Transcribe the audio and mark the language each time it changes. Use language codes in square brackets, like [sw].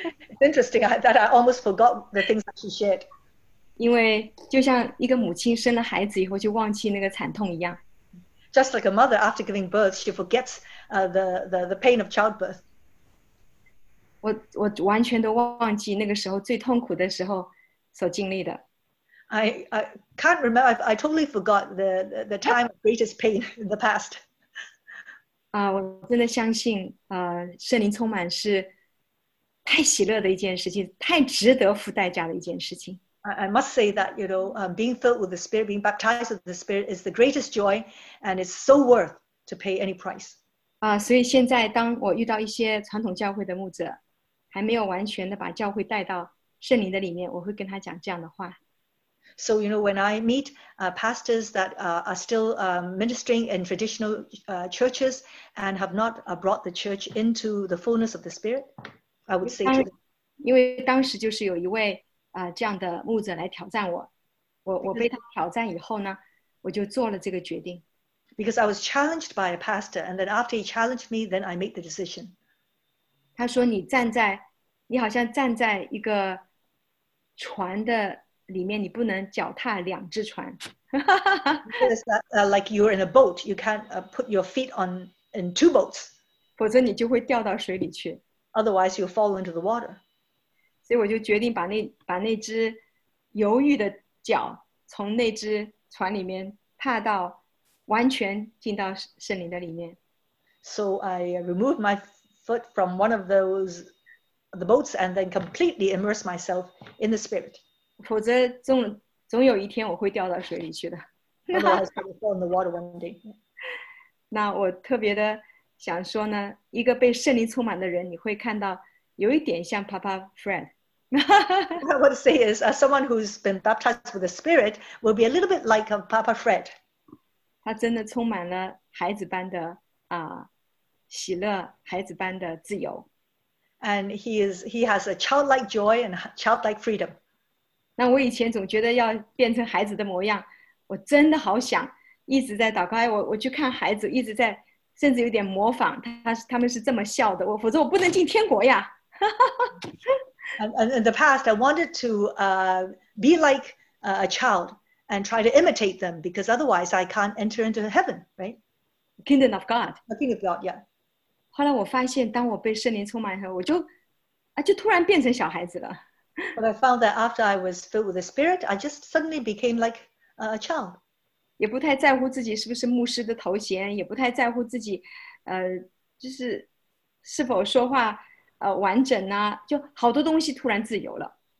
[en] It's interesting that I almost forgot the things that she shared. [zh] 因为就像一个母亲生了孩子以后就忘记那个惨痛一样。 [en] Just like a mother after giving birth, she forgets the pain of childbirth. [zh] 我完全都忘记那个时候最痛苦的时候所经历的。 [en] I can't remember. I totally forgot the time of greatest pain in the past. [zh] 我真的相信，圣灵充满是太喜乐的一件事情，太值得付代价的一件事情。 [en] I must say that, you know, being filled with the Spirit, being baptized with the Spirit is the greatest joy and it's so worth to pay any price. [zh] 所以现在当我遇到一些传统教会的牧者还没有完全的把教会带到圣灵的里面，我会跟他讲这样的话。 [en] So, you know, when I meet pastors that are still ministering in traditional churches and have not brought the church into the fullness of the Spirit, I would say to them. [zh] 因为当时就是有一位这样的牧者来挑战我，我被他挑战以后呢，我就做了这个决定。 [en] Because I was challenged by a pastor, and then after he challenged me, then I made the decision. [zh] 他说你好像站在一个船的里面，你不能脚踏两只船。 [en] Like you're in a boat, you can't put your feet in two boats. [zh] 否则你就会掉到水里去。 [en] Otherwise, you'll fall into the water. [zh] 所以我就决定把那只犹豫的脚从那只船里面踏到完全进到圣灵的里面。 [en] So I removed my foot from one of the boats and then completely immersed myself in the Spirit. [zh] 否则总有一天我会掉到水里去的。 [en] Otherwise, I will fall in the water one day. [zh] 那我特别的想说呢，一个被圣灵充满的人，你会看到有一点像 Papa Fred. [en] What I want to say is, someone who's been baptized with the Spirit will be a little bit like a Papa Fred. [zh] 他真的充满了孩子般的喜乐，孩子般的自由。 [en] And he has a childlike joy and childlike freedom. [zh] 那我以前总觉得要变成孩子的模样，我真的好想一直在祷告，我去看孩子，一直在。甚至有点模仿他们是这么笑的，否则我不能进天国呀。 [en] And in the past, I wanted to be like a child and try to imitate them because otherwise I can't enter into heaven, right? Kingdom of God. The kingdom of God, yeah. [zh] 后来我发现，当我被圣灵充满后，我就突然变成小孩子了。 [en] But I found that after I was filled with the Spirit, I just suddenly became like a child. [zh] 也不太在乎自己是不是牧师的头衔，也不太在乎自己，就是是否说话完整啊，就好多东西突然自由了。